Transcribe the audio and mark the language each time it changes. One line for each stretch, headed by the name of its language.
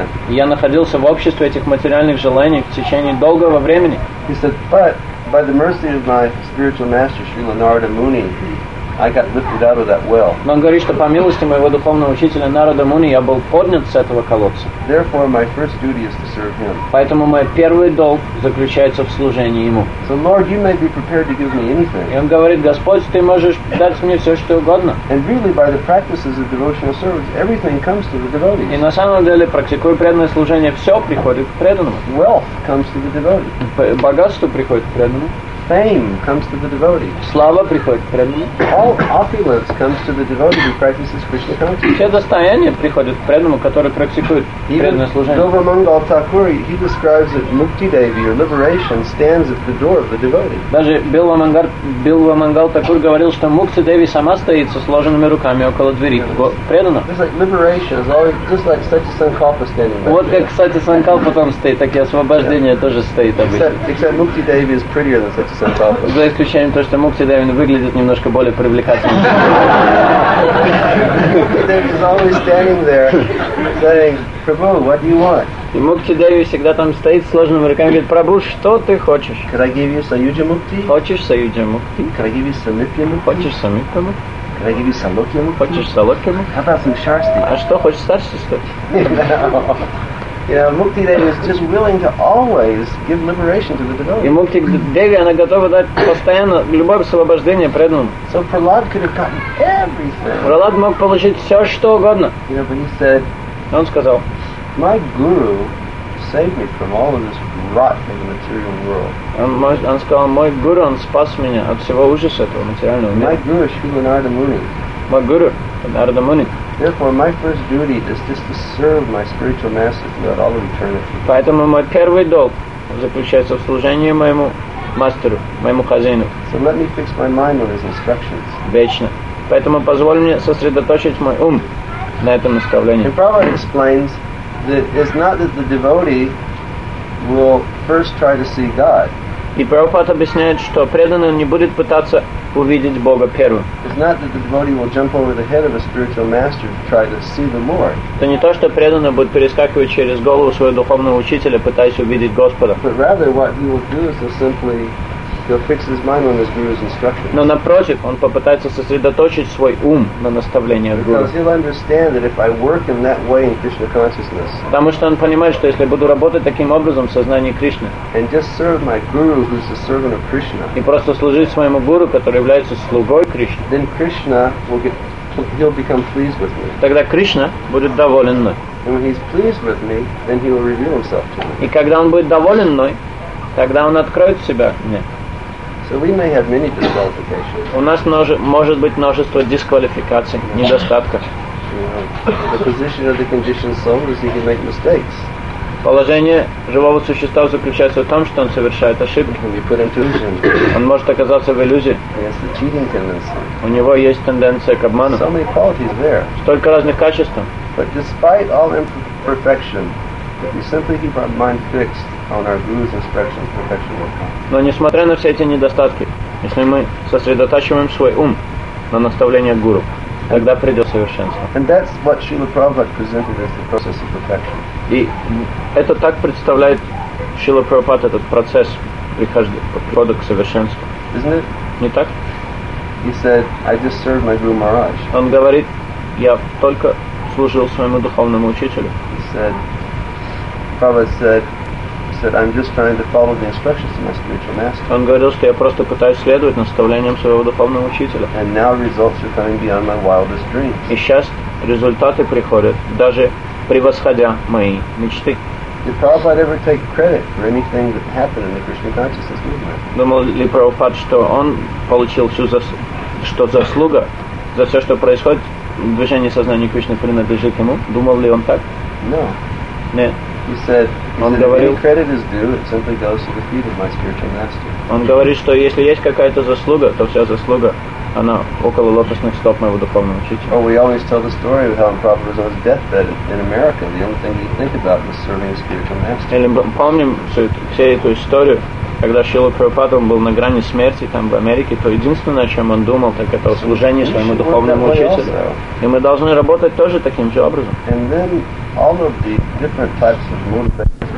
Russian: Я находился в обществе этих материальных желаний в течение долгого времени.
English: He said, but by the mercy of my spiritual master Srila Narada Muni, I got lifted out of that well.
Russian: Но он говорит, что по милости моего духовного учителя Нарада Муни я был поднят с этого колодца.
English: Therefore, my first duty is to serve him.
Russian: Поэтому мой первый долг заключается в служении ему.
English: So, Lord, you may be prepared to give me anything.
Russian: И он говорит, Господь, ты можешь дать мне все, что угодно.
English: And really, by the practices of devotional service, everything comes to the devotees.
Russian: И на самом деле, практикуя преданное служение, все приходит к преданному.
English: Wealth comes to the devotee.
Russian: Богатство приходит к преданному.
English: Fame comes to the devotee.
Russian: Слава приходит к преданному.
English: All opulence comes to the devotee who practices Krishna consciousness.
Russian: Все достояние приходит к преданному, который практикует преданное служение.
English: Even Vilvamangala Thakur, he describes that Mukti Devi or liberation stands at the door of the devotee.
Russian: Даже Vilvamangala Thakur говорил, что Мукти Деви сама стоит со сложенными руками около двери преданного.
English: It's like liberation is always just like Sati Sankalpa standing there.
Russian: Вот как Sati Sankalpa там стоит, так и освобождение тоже стоит обычно.
English: Except Mukti Devi is prettier than Sati.
Russian: За исключением того, что Мукти Деви выглядит немножко более привлекательным.
English: Мукти Деви is always standing there saying, Prabhu, what do you want?
Russian: И Мукти Деви всегда там стоит сложными руками и говорит, Прабу, что ты хочешь?
English: Could I give you Саюджа Мукти?
Russian: Хочешь Саюджа Мукти?
English: Could I give you Самипья Мукти?
Russian: Хочешь Самипья Мукти?
English: Could I give you Салокья Мукти?
Russian: Хочешь Салокья Мукти?
English: How about some Шарсти?
Russian: А что, хочешь Шарсти стать?
English: You know, Mukti Devi is just willing to always give liberation to the devotee.
Russian: И Мукти Деви, она готова дать постоянно любое освобождение преданному.
English: So Prahlad could have gotten everything.
Russian: Prahlad мог получить все, что угодно.
English: You know, but he said,
Russian: Он сказал:
English: "My guru saved me from all of this rot in the material world."
Russian: Он сказал: "Мой гуру, он спас меня от всего ужаса этого материального мира."
English: My guru is Śrīla Nārada Muni. My guru, Nārada Muni. Therefore, my first duty is just to serve my spiritual master throughout all of eternity.
Russian: Поэтому мой первый долг заключается в служении моему мастеру, моему хозяину.
English: So let me fix my mind on his instructions.
Russian: Вечно. Поэтому позволь мне сосредоточить мой ум на этом наставлении.
English: And Prabhupada explains that it's not that the devotee will first try to see God.
Russian: И Прабхупада объясняет, что преданный не будет пытаться увидеть Бога первым.
English: It's not that the devotee will jump over the head of a spiritual master to try to see the Lord.
Russian: Это не то, что преданный будет перескакивать через голову своего духовного учителя, пытаясь увидеть Господа.
English: But rather, what he will do is simply he'll fix his mind on his guru's instructions.
Russian: Но напротив, он попытается сосредоточить свой ум на наставлении гуру.
English: Because he'll understand that if I work in that way in Krishna consciousness.
Russian: Потому что он понимает, что если буду работать таким образом в сознании Кришны.
English: And just serve my guru, who's the servant of Krishna.
Russian: И просто служить своему гуру, который является слугой Кришны.
English: Then Krishna will he'll become pleased with me.
Russian: Тогда Кришна будет доволен мной.
English: And when he's pleased with me, then he will reveal himself to me.
Russian: И когда он будет доволен мной, тогда он откроет себя мне.
English: So we may have many disqualifications.
Russian: У нас может быть множество дисквалификаций, недостатков.
English: The position of the conditioned soul is he can make mistakes.
Russian: Положение живого существа заключается в том, что он совершает ошибки.
English: He can be put into illusion.
Russian: Он может оказаться в иллюзии.
English: He has the cheating tendency.
Russian: У него есть тенденция к обману.
English: So many qualities there.
Russian: Столько разных качеств.
English: But despite all imperfection, we simply keep our mind fixed on our guru's instructions, perfection will come.
Russian: Но несмотря на все эти недостатки, если мы сосредотачиваем свой ум на наставлении гуру, тогда придет совершенство.
English: And that's what Śrīla Prabhupāda presented as the process of perfection.
Russian: И это так представляет Śrīla Prabhupāda этот процесс прихода к совершенству.
English: Isn't it?
Russian: Не так?
English: He said, "I just served my guru Maharaj."
Russian: Он говорит, я только служил своему духовному учителю.
English: He said, Prabhupāda said, "I'm just trying to follow the instructions of my spiritual master."
Russian: Он говорил, что я просто пытаюсь следовать наставлениям своего духовного учителя.
English: And now results are coming beyond my wildest dreams.
Russian: И сейчас результаты приходят, даже превосходя мои мечты.
English: Did Prabhupada ever take credit for anything that happened in the Krishna consciousness movement?
Russian: Думал ли Прабхупад, что он получил всю что заслуга за все, что происходит в движении сознания Кришны принадлежит ему? Думал ли он так?
English: No.
Russian: Нет. Он говорит, что если есть какая-то заслуга, то вся заслуга, она около лотосных стоп моего духовного учителя.
English: Oh, we always tell the story of how Prabhupada was on his deathbed in America. The only thing he'd think about was serving his spiritual master.
Russian: Или помним всю эту историю, когда Шрила Прабхупада был на грани смерти там в Америке, то единственное, о чем он думал, так это о служении своему духовному учителю. И мы должны работать тоже таким же образом.
English: All of the different types of motivation.